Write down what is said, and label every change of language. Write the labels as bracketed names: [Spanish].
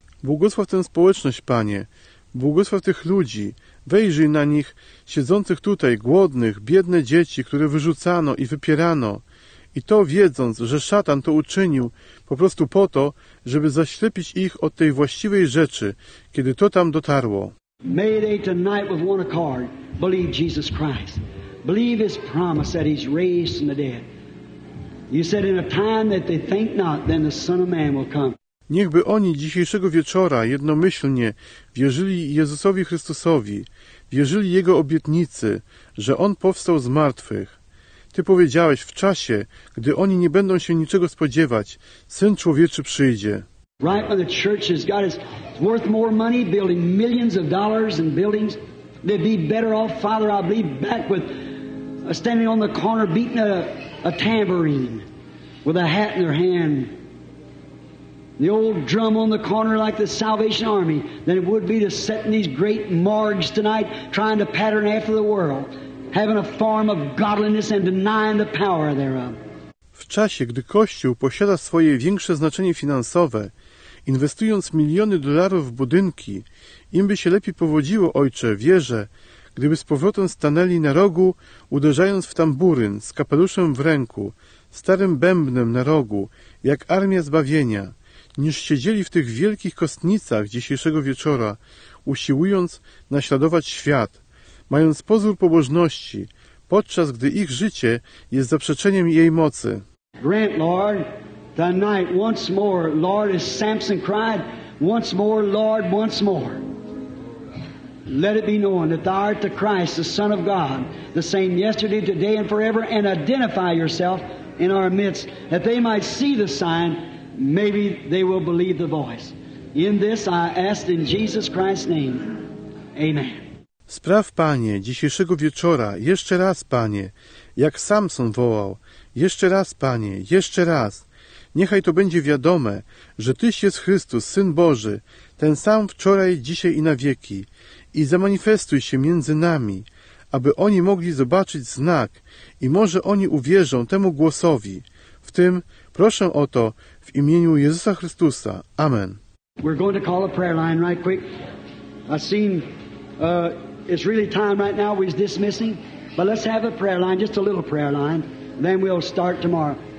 [Polish] Błogosław tę społeczność, Panie. Błogosław tych ludzi. Wejrzyj na nich, siedzących tutaj, głodnych, biedne dzieci, które wyrzucano i wypierano. I to wiedząc, że szatan to uczynił po prostu po to, żeby zaślepić ich od tej właściwej rzeczy, kiedy to tam dotarło. [English] May they tonight with one accord believe Jesus Christ. Believe His promise that He's raised from the dead. You said in a time that they think not, then the Son of Man will come. [Polish] Niechby oni dzisiejszego wieczora jednomyślnie wierzyli Jezusowi Chrystusowi, wierzyli Jego obietnicy, że On powstał z martwych. Ty powiedziałeś, w czasie, gdy oni nie będą się niczego spodziewać, Syn Człowieczy przyjdzie. [English] Right when the church has got its worth more money, building millions of dollars in buildings, they'd be better off, Father, I believe, back with standing on the corner beating a tambourine with a hat in their hand. The old drum on the corner like the Salvation Army, than it would be to set in these great morgues tonight trying to pattern after the world, having a form of godliness and denying the power thereof. [Polish] W czasie, gdy Kościół posiada swoje większe znaczenie finansowe, inwestując miliony dolarów w budynki, im by się lepiej powodziło, Ojcze, wierzę, gdyby z powrotem stanęli na rogu, uderzając w tamburyn z kapeluszem w ręku, starym bębnem na rogu, jak armia zbawienia, niż siedzieli w tych wielkich kostnicach dzisiejszego wieczora, usiłując naśladować świat, mając pozór pobożności, podczas gdy ich życie jest zaprzeczeniem jej mocy. [English] Grant, Lord, the night once more, Lord, as Samson cried, once more, Lord, once more. Let it be known that thou art the Christ, the Son of God, the same yesterday, today, and forever, and identify yourself in our midst, that they might see the sign, maybe they will believe the voice. In this I ask in Jesus Christ's name. Amen. [Polish] Spraw, Panie, dzisiejszego wieczora, jeszcze raz, Panie, jak Samson wołał, jeszcze raz, Panie, jeszcze raz. Niechaj to będzie wiadome, że Tyś jest Chrystus, Syn Boży, ten sam wczoraj, dzisiaj i na wieki. I zamanifestuj się między nami, aby oni mogli zobaczyć znak i może oni uwierzą temu głosowi. W tym proszę o to w imieniu Jezusa Chrystusa. Amen. [English] We're going to call a prayer line right quick. I seen it's really time right now, we're dismissing. But let's have a prayer line, just a little prayer line. Then we'll start tomorrow.